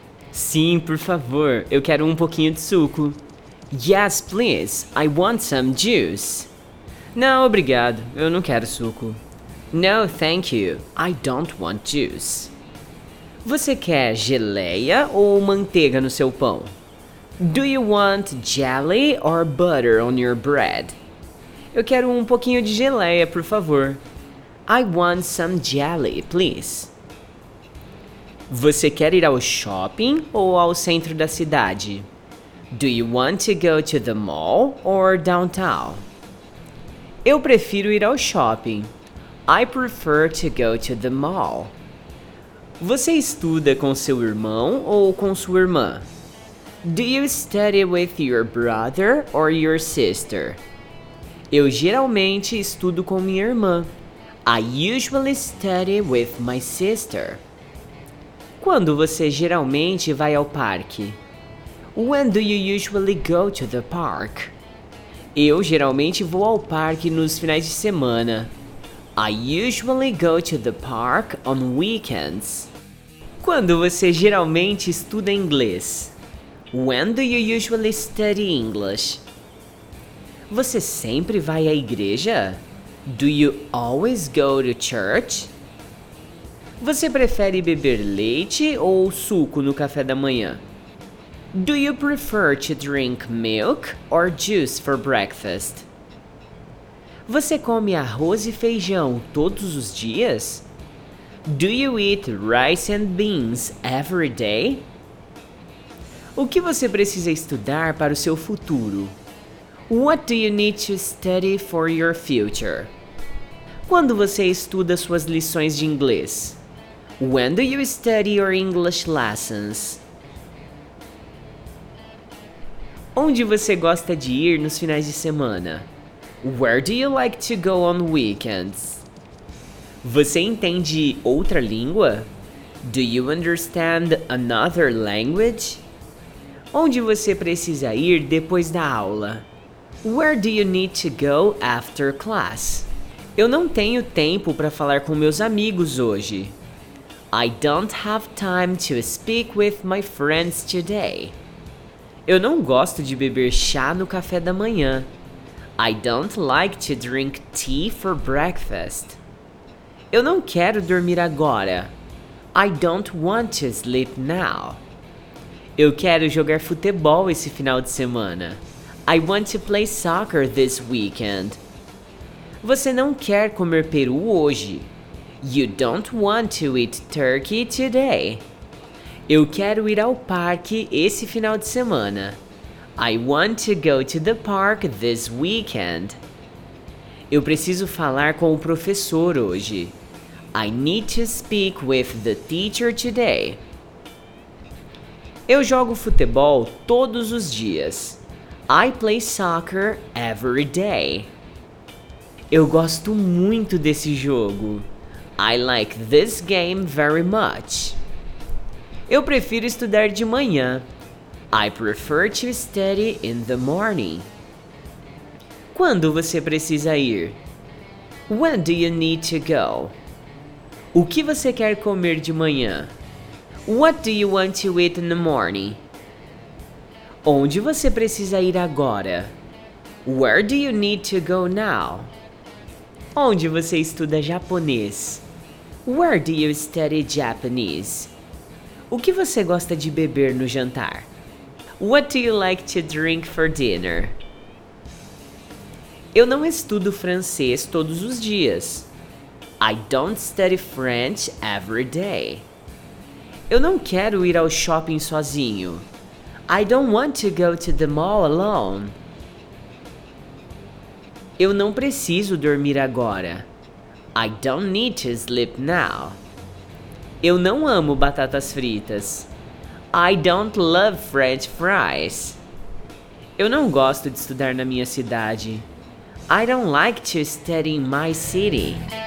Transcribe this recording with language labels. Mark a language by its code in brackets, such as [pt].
[pt] Sim, por favor, eu quero um pouquinho de suco. [en] Yes, please, I want some juice. [pt] Não, obrigado, eu não quero suco. [en] No, thank you, I don't want juice. [pt] Você quer geleia ou manteiga no seu pão? [en] Do you want jelly or butter on your bread? [pt] Eu quero um pouquinho de geleia, por favor. [en] I want some jelly, please. [pt] Você quer ir ao shopping ou ao centro da cidade? [en] Do you want to go to the mall or downtown? [pt] Eu prefiro ir ao shopping. [en] I prefer to go to the mall. [pt] Você estuda com seu irmão ou com sua irmã? [en] Do you study with your brother or your sister? [pt] Eu geralmente estudo com minha irmã. [en] I usually study with my sister. [pt] Quando você geralmente vai ao parque? [en] When do you usually go to the park? [pt] Eu geralmente vou ao parque nos finais de semana. [en] I usually go to the park on weekends. [pt] Quando você geralmente estuda inglês? [en] When do you usually study English? [pt] Você sempre vai à igreja? [en] Do you always go to church? [pt] Você prefere beber leite ou suco no café da manhã? [en] Do you prefer to drink milk or juice for breakfast? [pt] Você come arroz e feijão todos os dias? [en] Do you eat rice and beans every day? [pt] O que você precisa estudar para o seu futuro? [en] What do you need to study for your future? [pt] Quando você estuda suas lições de inglês? [en] When do you study your English lessons? [pt] Onde você gosta de ir nos finais de semana? [en] Where do you like to go on weekends? [pt] Você entende outra língua? [en] Do you understand another language? [pt] Onde você precisa ir depois da aula? [en] Where do you need to go after class? [pt] Eu não tenho tempo para falar com meus amigos hoje. [en] I don't have time to speak with my friends today. [pt] Eu não gosto de beber chá no café da manhã. [en] I don't like to drink tea for breakfast. [pt] Eu não quero dormir agora. [en] I don't want to sleep now. [pt] Eu quero jogar futebol esse final de semana. [en] I want to play soccer this weekend. [pt] Você não quer comer peru hoje. [en] You don't want to eat turkey today. [pt] Eu quero ir ao parque esse final de semana. [en] I want to go to the park this weekend. [pt] Eu preciso falar com o professor hoje. [en] I need to speak with the teacher today. [pt] Eu jogo futebol todos os dias. [en] I play soccer every day. [pt] Eu gosto muito desse jogo. [en] I like this game very much. [pt] Eu prefiro estudar de manhã. [en] I prefer to study in the morning. [pt] Quando você precisa ir? [en] When do you need to go? [pt] O que você quer comer de manhã? [en] What do you want to eat in the morning? [pt] Onde você precisa ir agora? [en] Where do you need to go now? [pt] Onde você estuda japonês? [en] Where do you study Japanese? [pt] O que você gosta de beber no jantar? [en] What do you like to drink for dinner? [pt] Eu não estudo francês todos os dias. [en] I don't study French every day. [pt] Eu não quero ir ao shopping sozinho. [en] I don't want to go to the mall alone. [pt] Eu não preciso dormir agora. [en] I don't need to sleep now. [pt] Eu não amo batatas fritas. [en] I don't love French fries. [pt] Eu não gosto de estudar na minha cidade. [en] I don't like to study in my city.